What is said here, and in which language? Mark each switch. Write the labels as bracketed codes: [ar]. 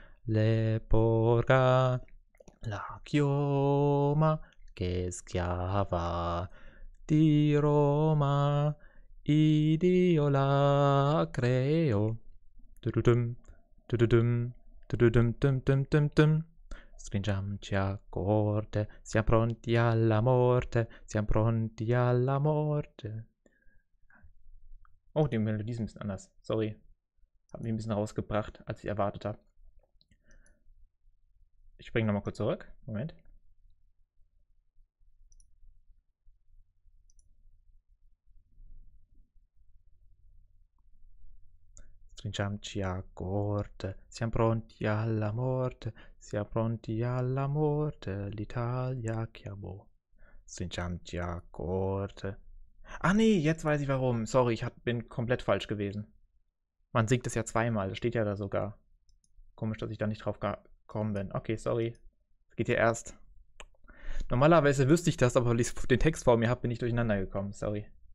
[it] Le porga la chioma che schiava di Roma, Iddio la creò. Stringiamoci a corte, siamo pronti alla morte, siamo pronti alla morte. [de] Oh, die Melodie ist ein bisschen anders. Sorry. Hab mich ein bisschen rausgebracht, als ich erwartet habe. Ich springe nochmal kurz zurück. Moment. [it] Stringiamoci a corte, siamo pronti alla morte, siamo pronti alla morte, l'Italia chiamò. Stringiamoci a corte. [de] Ah nee, jetzt weiß ich warum. Sorry, ich bin komplett falsch gewesen. Man singt es ja zweimal, das steht ja da sogar. Komisch, dass ich da nicht drauf gekommen bin. Okay, sorry. Es geht ja erst. Normalerweise wüsste ich das, aber weil ich den Text vor mir habe, bin ich durcheinander gekommen. Sorry.